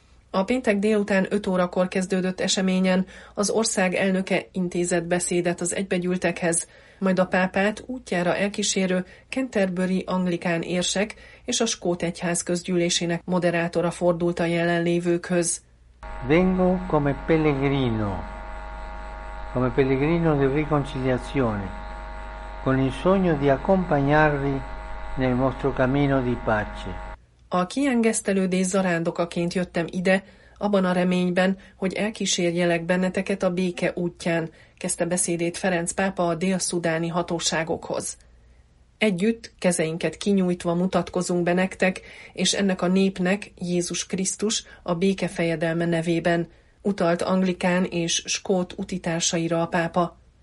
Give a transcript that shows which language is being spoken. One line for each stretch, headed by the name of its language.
Hungarian: A péntek délután 5 órakor kezdődött eseményen az ország elnöke intézett beszédet az egybegyűltekhez, majd a pápát útjára elkísérő Canterbury anglikán érsek és a Skót Egyház közgyűlésének moderátora fordult a jelenlévőkhöz.
Italian: Vengo come pellegrino di riconciliazione, con il sogno di accompagnarvi nel vostro cammino di pace.
Hungarian: A kiengesztelődés zarándokaként jöttem ide, abban a reményben, hogy elkísérjelek benneteket a béke útján, kezdte beszédét Ferenc pápa a dél-szudáni hatóságokhoz. Együtt, kezeinket kinyújtva mutatkozunk be nektek, és ennek a népnek, Jézus Krisztus, a béke fejedelme nevében, utalt anglikán és skót utitársaira a pápa.